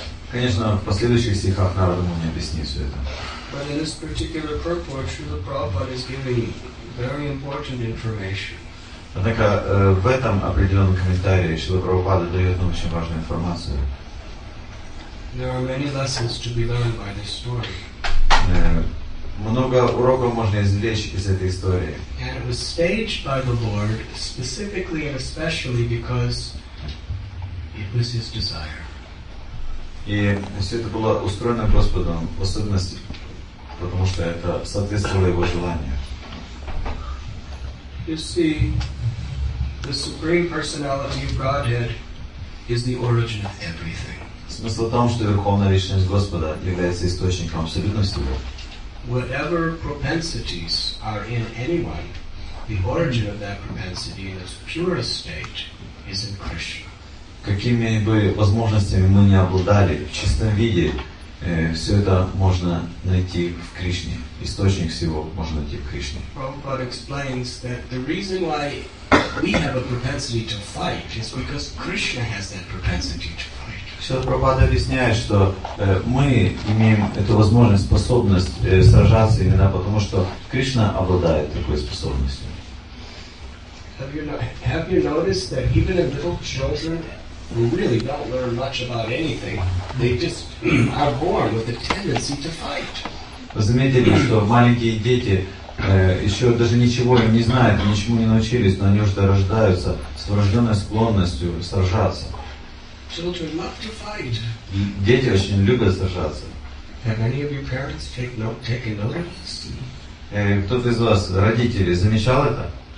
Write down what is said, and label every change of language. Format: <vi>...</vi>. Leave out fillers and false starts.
<ru>Конечно, в последующих стихах Нарада Муни объяснит все это.</ru> <en>But in this particular purport, Srila Prabhupada is giving very important information.</en> <ru>Однако в этом определенном комментарии Шрила Прабхупада дает нам очень важную информацию.</ru> <en>There are many lessons to be learned by this story.</en> <ru>Много уроков можно извлечь из этой истории.</ru> <en>And it was staged by the Lord specifically and especially because it was his desire.</en> <ru>И все это было устроено Господом, в особенности, потому что это соответствовало его желанию.</ru> <en>You see, the Supreme Personality of Godhead is the origin of everything.</en> <ru>Смысл в том, что Верховная Личность Господа является источником абсолютно всего.</ru> <en>Whatever propensities are in anyone, the origin of that propensity in its purest state is in Krishna.</en> <ru>Какими бы возможностями мы ни обладали, в чистом виде, все это можно найти в Кришне. Источник всего можно найти в Кришне.</ru> <en>Prabhupada explains that the reason why we have a propensity to fight is because Krishna has that propensity to fight.</en> <ru>Шрила Прабхупада объясняет, что мы имеем эту возможность, способность сражаться именно потому, что Кришна обладает такой способностью.</ru> <en>Have you noticed that even in little children who really don't learn much about anything, they just are born with a tendency to fight?</en> <ru>Вы заметили, что маленькие дети еще даже ничего не знают, ничему не научились, но они уже рождаются с врожденной склонностью сражаться.</ru> <en>Children love to fight.</en> <ru>Дети очень любят сражаться.</ru> <en>Have any of your parents taken notice?</en> <ru>Кто-то из вас, родители, замечал это?</ru>